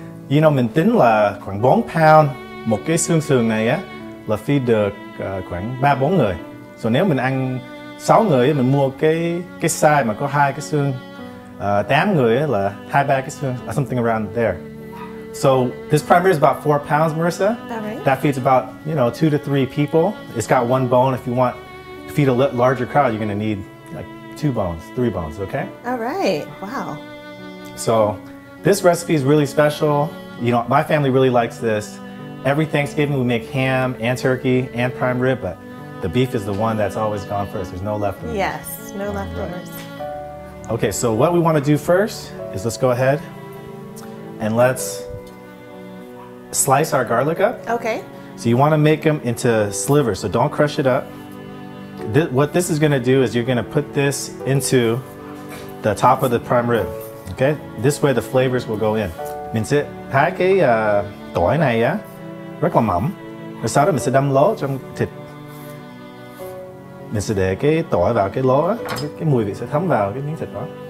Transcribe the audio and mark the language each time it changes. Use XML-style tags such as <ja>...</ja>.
<en>You know,</en> <vi>mình tính là khoảng 4 pound một cái xương sườn này á là feed được khoảng 3-4 người. So nếu mình ăn 6 người mình mua cái size mà có 2 cái xương. 8 người là 2-3 cái xương,</vi> <en>something around there. So this prime rib is about 4 pounds, Marissa. That feeds about, you know, 2 to 3 people. It's got one bone. If you want to feed a larger crowd, you're going to need like 2 bones, 3 bones, okay? All right. Wow. So this recipe is really special. You know, my family really likes this. Every Thanksgiving we make ham and turkey and prime rib, but the beef is the one that's always gone first. There's no leftovers. Yes, no leftovers. Okay, so what we want to do first is let's go ahead and let's slice our garlic up. Okay. So you want to make them into slivers, so don't crush it up. What this is going to do is you're going to put this into the top of the prime rib. Okay, this way the flavors will go in.</en> <vi>Mình sẽ thái cái tỏi này rất là mỏng. Rồi sau đó mình sẽ đâm lỗ trong thịt. Mình sẽ để cái tỏi vào cái lỗ, cái mùi vị sẽ thấm vào cái miếng thịt đó.</vi>